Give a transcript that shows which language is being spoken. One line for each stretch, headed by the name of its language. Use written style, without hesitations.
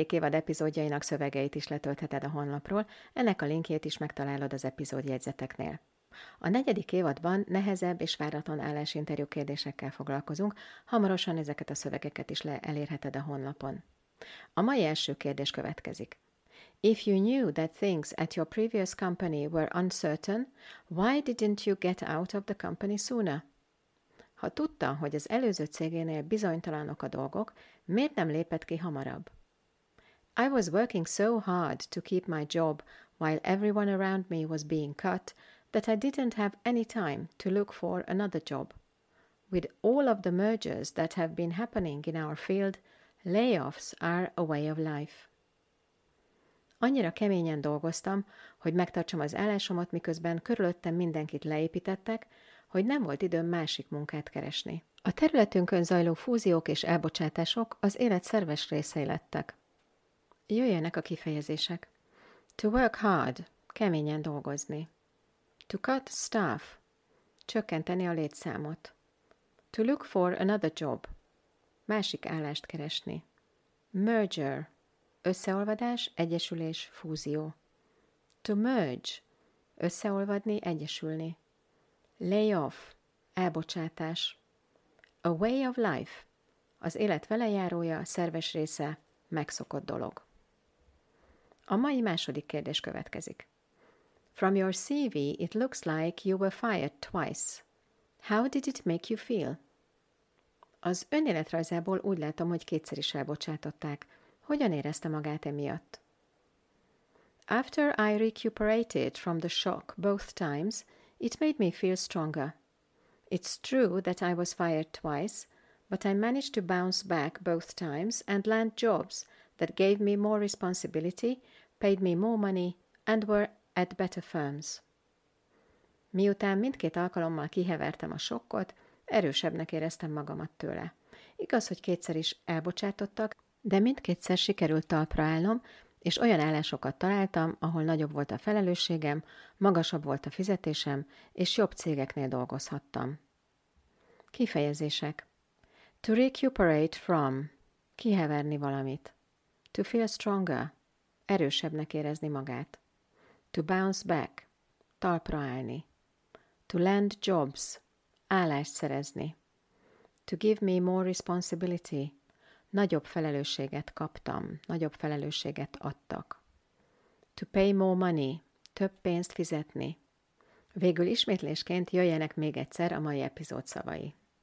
Hungarian: évad epizódjainak szövegeit is letöltheted a honlapról, ennek a linkjét is megtalálod az epizód jegyzeteknél. A 4. évadban nehezebb és váratlan állásinterjú kérdésekkel foglalkozunk, hamarosan ezeket a szövegeket is elérheted a honlapon. A mai első kérdés következik.
English: If you knew that things at your previous company were uncertain, why didn't you get out of the company sooner?
Hungarian: Ha tudta, hogy az előző cégénél bizonytalanok a dolgok, miért nem lépett ki hamarabb?
English: I was working so hard to keep my job while everyone around me was being cut that I didn't have any time to look for another job. With all of the mergers that have been happening in our field, layoffs are a way of life.
Hungarian: Annyira keményen dolgoztam, hogy megtartsam az állásomat, miközben körülöttem mindenkit leépítettek, hogy nem volt időm másik munkát keresni. A területünkön zajló fúziók és elbocsátások az élet szerves részei lettek. Jöjjenek a kifejezések.
English: To work hard,
Hungarian: keményen dolgozni.
English: To cut staff,
Hungarian: csökkenteni a létszámot.
English: To look for another job,
Hungarian: másik állást keresni.
English: Merger,
Hungarian: összeolvadás, egyesülés, fúzió.
English: To merge,
Hungarian: összeolvadni, egyesülni.
English: Layoff,
Hungarian: elbocsátás.
English: A way of life,
Hungarian: az élet velejárója, szerves része, megszokott dolog. A mai második kérdés következik.
English: From your CV, it looks like you were fired twice. How did it make you feel?
Hungarian: Az önéletrajzából úgy látom, hogy kétszer is elbocsátották. Hogyan érezte magát emiatt?
English: After I recuperated from the shock both times, it made me feel stronger. It's true that I was fired twice, but I managed to bounce back both times and land jobs that gave me more responsibility, paid me more money, and were at better firms.
Hungarian: Miután mindkét alkalommal kihevertem a sokkot, erősebbnek éreztem magamat tőle. Igaz, hogy kétszer is elbocsátottak, de mindkétszer sikerült talpra állnom, és olyan állásokat találtam, ahol nagyobb volt a felelősségem, magasabb volt a fizetésem, és jobb cégeknél dolgozhattam. Kifejezések.
English: To recuperate from.
Hungarian: Kiheverni valamit.
English: To feel stronger.
Hungarian: Erősebbnek érezni magát.
English: To bounce back.
Hungarian: Talpra állni.
English: To land jobs.
Hungarian: Állást szerezni.
English: To give me more responsibility.
Hungarian: Nagyobb felelősséget kaptam, nagyobb felelősséget adtak.
English: To pay more money,
Hungarian: több pénzt fizetni. Végül ismétlésként jöjjenek még egyszer a mai epizód szavai.